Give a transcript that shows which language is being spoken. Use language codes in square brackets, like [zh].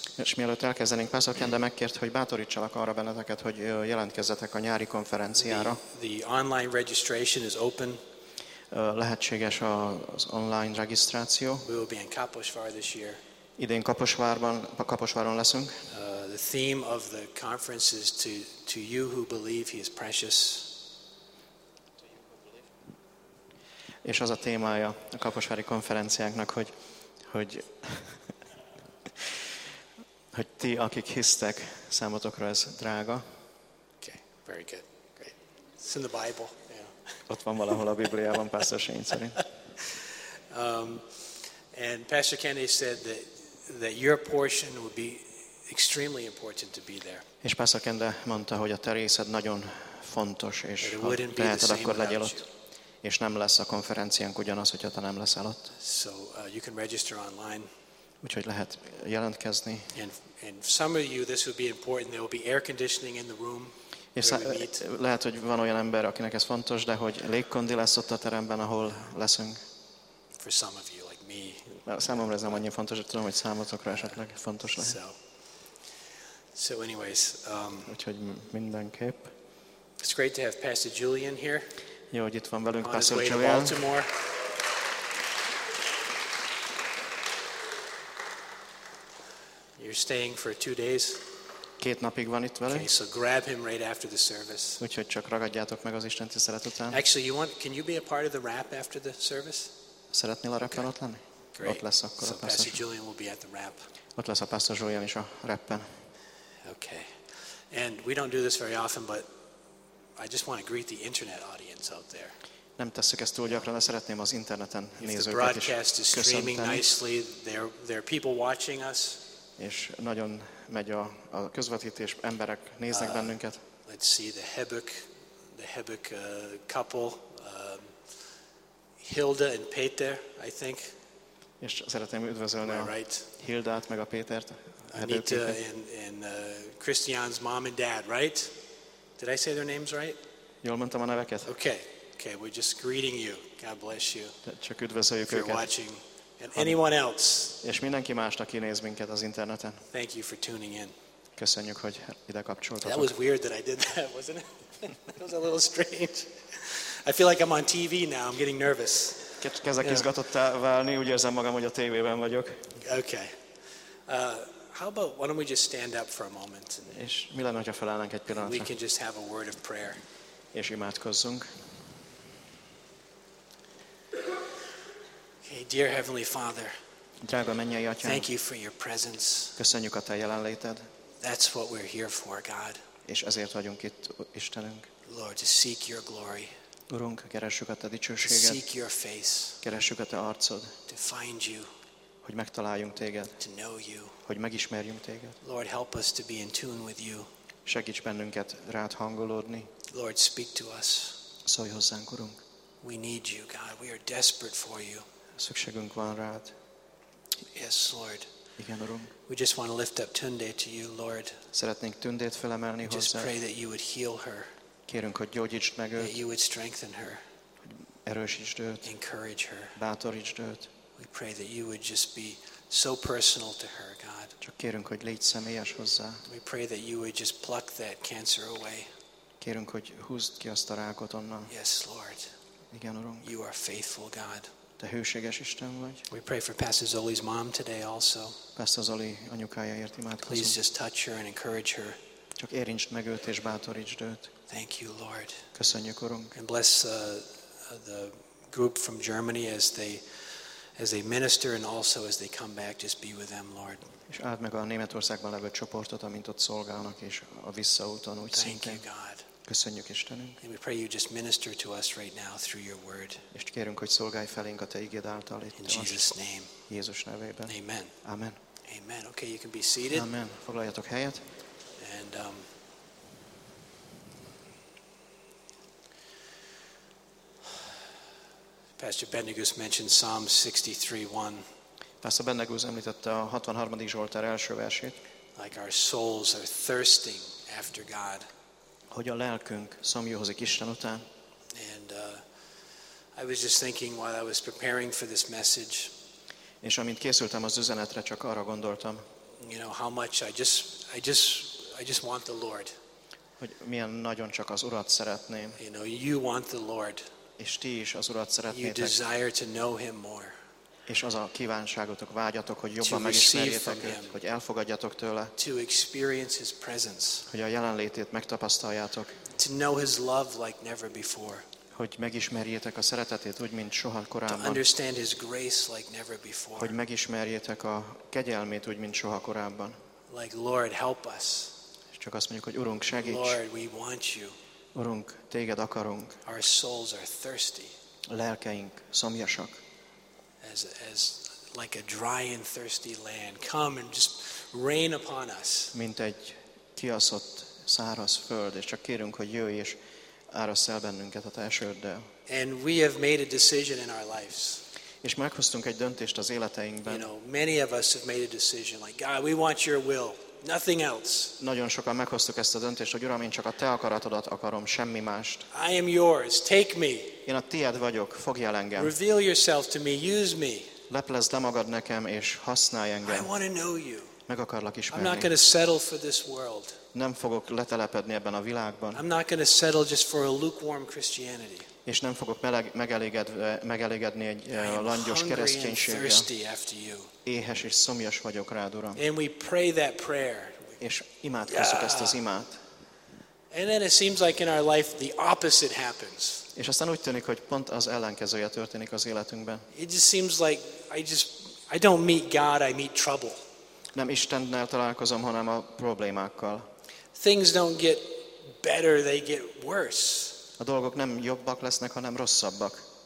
[hu] És mielőtt elkezdenénk, Pastor Kende megkért, hogy bátorítsalak arra benneteket, hogy jelentkezzetek a nyári konferenciára. [en] The online registration is open. [hu] Lehetséges az online regisztráció. [en] We will be in Kaposvár this year. [hu] Idén Kaposváron leszünk. [en] The theme of the conference is to you who believe he is precious. [hu] És az a témája a kaposvári konferenciánknak, hogy ti, akik hisztek, számotokra ez drága. [en] Okay, very good. Great. It's in the Bible. Yeah. [hu] Ott van valahol a Bibliában, Pastor Shane szerint. [en] And Pastor Kenny said that your portion would be extremely important to be there. [hu] És Pastor Kende mondta, hogy a te részed nagyon fontos, és ha teheted, akkor legyél ott. És nem lesz a konferenciánk ugyanaz, hogyha te nem leszel ott. [en] So you can register online. [hu] Úgyhogy lehet jelentkezni. [en] And some of you, this would be important. There will be air conditioning in the room. [hu] Lehet, hogy van olyan ember, akinek ez fontos, de hogy légkondi lesz ott a teremben, ahol leszünk. [en] For some of you, like me. [hu] Számomra ez nem annyira fontos, hogy tudom, hogy számotokra esetleg fontos lehet. [en] So anyways. [hu] Úgyhogy mindenképp. [en] It's great to have Pastor Julian here. [hu] Jó, hogy itt van velünk, Pastor [en] Julian. You're staying for 2 days. [hu] Két napig van itt velünk. [en] Okay, so grab him right after the service. [hu] Úgyhogy csak ragadjátok meg az istentisztelet után. [en] Actually, can you be a part of the wrap after the service? [hu] Szeretnél a wrapben ott lenni? [en] Great. [hu] Ott lesz akkor [en] a Pastor Julian will be at the wrap. [hu] Ott lesz a Pastor Julian is a wrapben. [en] Okay. And we don't do this very often, but I just want to greet the internet audience out there. [hu] Nem tesszük ezt túl gyakran, de szeretném az interneten nézőket is köszönteni. [en] The broadcast is streaming nicely. There are people watching us. [hu] És nagyon megy a közvetítés, emberek néznek bennünket. [en] Let's see the Hebek couple, Hilda and Peter, I think. [hu] És szeretném üdvözölni [en] right? [hu] Hildát meg a Pétert. [en] Anita and Christian's mom and dad, right? Did I say their names right? [hu] Jól mondtam a neveket. [en] Okay, we're just greeting you. God bless you. [hu] Csak üdvözöljük őket. [en] If you're watching. And anyone else. [hu] És mindenki más, aki néz minket az interneten. [en] Thank you for tuning in. [hu] Köszönjük, hogy ide kapcsoltatok. [en] That was weird that I did that, wasn't it? That was a little strange. I feel like I'm on TV now. I'm getting nervous. [hu] Kezdek izgatottá válni, úgy érzem magam, hogy a tévében vagyok. [en] Okay. How about why don't we just stand up for a moment? [hu] És mi lenne, ha felállnánk egy pillanatra? [en] We can just have a word of prayer. [hu] És imádkozzunk. [en] Hey, dear Heavenly Father. [hu] Drága mennyei atyám. [en] Thank you for your presence. [hu] Köszönjük a te jelenléted. [en] That's what we're here for, God. [hu] És ezért vagyunk itt, Istenünk. [en] Lord, to seek your glory. [hu] Urunk, keressük a te dicsőséget. [en] Seek your face. [hu] Keressük a te arcod. [en] To find you. [hu] Hogy megtaláljunk téged. [en] To know you. [hu] Hogy megismerjünk téged. [en] Lord, help us to be in tune with you. [hu] Segíts bennünket rád hangolódni. [en] Lord, speak to us. [hu] Szólj hozzánk, Urunk. [en] We need you, God. We are desperate for you. [hu] Szükségünk van rád. [en] Yes, Lord. [hu] Igen, Uram. [en] We just want to lift up Tunde to you, Lord. [hu] Szeretnénk Tundét felemelni hozzá. [en] Just pray that you would heal her. [hu] Kérünk, hogy gyógyítsd meg őt. [en] That you would strengthen her. [hu] Erősítsd őt. [en] Encourage her. [hu] Bátorítsd őt. [en] We pray that you would just be so personal to her, God. [hu] Csak kérünk, hogy légy személyes hozzá. [en] We pray that you would just pluck that cancer away. [hu] Kérünk, hogy húzd ki azt a rákot onnan. [en] Yes, Lord. [hu] Igen, Urunk. [en] You are faithful, God. [hu] Te hőséges Isten vagy. [en] We pray for Pastor Zoli's mom today also. [hu] Pastor Zoli anyukájáért imádkozunk. [en] Please just touch her and encourage her. [hu] Csak érintsd meg őt és bátorítsd őt. [en] Thank you, Lord. [hu] Köszönjük, Urunk. [en] And bless the group from Germany as they minister and also as they come back, just be with them, Lord. [hu] És áld meg a Németországban levő csoportot, amint ott szolgálnak, és a visszaúton úgy szintén. [en] Thank you, God. [hu] Köszönjük Istenünk. [en] And we pray you just minister to us right now through your word. [hu] És kérünk, hogy szolgálj felénk a te igéd által. [en] In Jesus' name. [hu] Jézus nevében. [en] Amen. [hu] Amen. [en] Amen. Okay, you can be seated. [hu] Amen. Foglaljatok helyet. [en] And Pastor Bendigus mentioned Psalm 63:1. [hu] Pastor Bendigus említette a 63. Zsoltár első versét. [en] Like our souls are thirsting after God. [hu] Hogy a lelkünk szomjúhozik Isten után. [en] And I was just thinking while I was preparing for this message. [hu] És amint készültem az üzenetre, csak arra gondoltam. [en] You know how much I just want the Lord. [hu] Hogy milyen nagyon csak az Urat szeretném. [en] You know, you want the Lord. [hu] És ti is az Urat szeretnétek. [en] You desire to know him more. [hu] És az a kívánságotok, vágyatok, hogy jobban megismerjétek őt, hogy elfogadjatok tőle. [en] To experience his presence. [hu] Hogy a jelenlétét megtapasztaljátok. [en] To know his love like never before. [hu] Hogy megismerjétek a szeretetét úgy, mint soha korábban. [en] To understand his grace like never before. [hu] Hogy megismerjétek a kegyelmét úgy, mint soha korábban. [en] Like, Lord, help us. [hu] És csak azt mondjuk, hogy Urunk, segíts. [en] Lord, we want you. [hu] Urunk, téged akarunk. [en] Our souls are thirsty. [hu] Lelkeink szomjasak. [en] As like a dry and thirsty land, come and just rain upon us. [hu] Mint egy kiaszott száraz föld, és csak kérünk, hogy jöjj és árassz el bennünket a te esőddel. [en] And we have made a decision in our lives. [hu] És meghoztunk egy döntést az életeinkben. [en] You know, many of us have made a decision like, God, we want your will. Nothing else. [hu] Nagyon sokan meghoztuk ezt a döntést, hogy Uram, én csak a te akaratodat akarom, semmi mást. [en] I am yours. Take me. [hu] Én a tied vagyok, fogjál engem. [en] Reveal yourself to me. Use me. [hu] Leplezd le magad nekem és használj engem. [en] I want to know you. [hu] Meg akarlak ismerni. [en] I'm not going to settle for this world. [hu] Nem fogok letelepedni ebben a világban. [en] I'm not going to settle just for a lukewarm Christianity. [hu] És nem fogok megelégedni egy langyos kereszténységgel. Éhes és szomjas vagyok rád, Uram. [en] And we pray that prayer. [hu] És imádkozzuk ezt az imát. [en] And then it seems like in our life the opposite happens. [hu] És aztán úgy tűnik, hogy pont az ellenkezője történik az életünkben. [en] It just seems like I don't meet God, I meet trouble. [hu] Nem Istennel találkozom, hanem a problémákkal. [en] Things don't get better, they get worse. [hu] A dolgok nem jobbak lesznek, hanem rosszabbak.